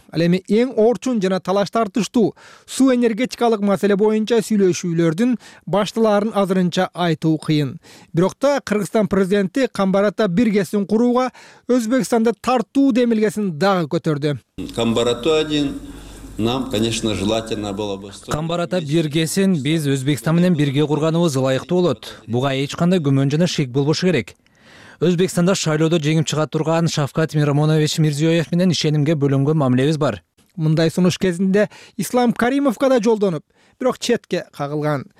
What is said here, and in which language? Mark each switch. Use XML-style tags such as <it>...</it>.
<ky>Ал эми эң орчун жана талаш тартыштуу суу энергетикалык маселе боюнча сүйлөшүүлөрдүн башталарын азырынча айтуу кыйын. Бирок да Кыргызстан президенти Камбарата биргесин курууга Өзбекстанды тартуу демилгесин дагы көтөрдү.</ky> <ru>Камбарату один. Нам, конечно, желательно было бы.</ru> <ky>Камбарата биргесин биз Өзбекстан менен бирге курганыбыз ылайыктуу болот. Буга эч кандай күмөн жана шек болбошу керек. Өзбекстанда шайлоодо жеңип чыга турган Шавкат Миромонович Мирзиёев менен ишенимге бөлөнгөн мамилебиз бар. Мындай сунуш кезинде Ислам Каримовго да жолдонуп, бирок четке кагылган.</ky>